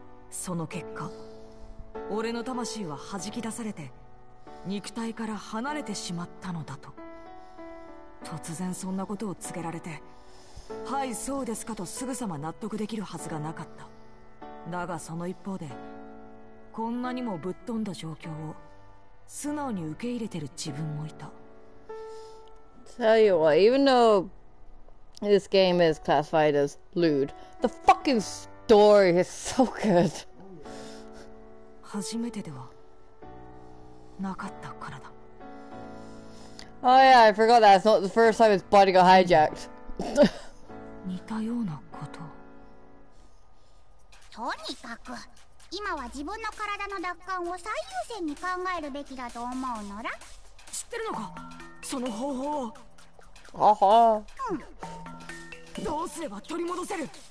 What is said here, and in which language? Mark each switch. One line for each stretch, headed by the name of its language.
Japanese: その結果、俺の魂は弾き出されて肉体から離れてしまったのだと。突然そんなことを告げられて、はいそうですかとすぐさま納得できるはずがなかった。だがその一方で、こんなにもぶっ飛んだ状況を素直に受け入れてる自分もいた。
English: Tell you what, even though this game is classified as lewd, the fucking story is so good。
Japanese: 初めてではなかったからだ。
English: Oh yeah, I forgot that. It's not the first time his body got hijacked.
Japanese: 似たようなこと。とにかく今は自分の体の奪還を最優先に考えるべきだと思うのら。知ってるのか、その方法を。あは。うん。どうすれば取り戻せる。